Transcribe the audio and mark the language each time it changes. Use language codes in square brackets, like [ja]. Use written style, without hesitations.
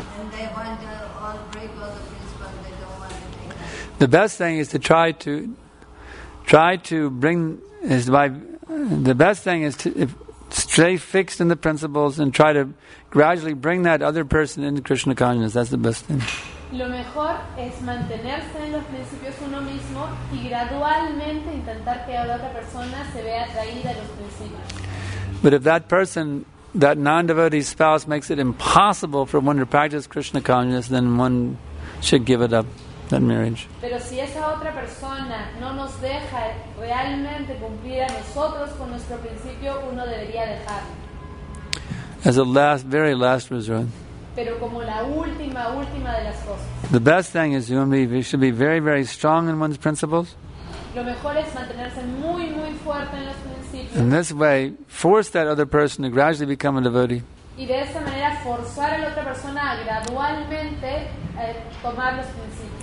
[en] And they want to all break all the principles, but they don't want to take it up. The best thing is to stay fixed in the principles and try to gradually bring that other person into Krishna consciousness. That's the best thing. [es] Lo mejor es mantenerse en los principios uno mismo y gradualmente intentar que la otra persona se vea atraída a los principios. [en] But if that person, that non-devotee spouse, makes it impossible for one to practice Krishna consciousness, then one should give it up, that marriage. [es] Pero si esa otra persona no nos deja realmente cumplir a nosotros con nuestro principio, uno debería dejarlo. [en] As a last, very last resort. [es] Pero como la última, última de las cosas. [en] The best thing is you should be very, very strong in one's principles. [es] Lo mejor es mantenerse muy, muy fuerte en los principios. [en] In this way, force that other person to gradually become a devotee. [es] Y de esa manera, forzar a la otra persona a gradualmente tomar los principios.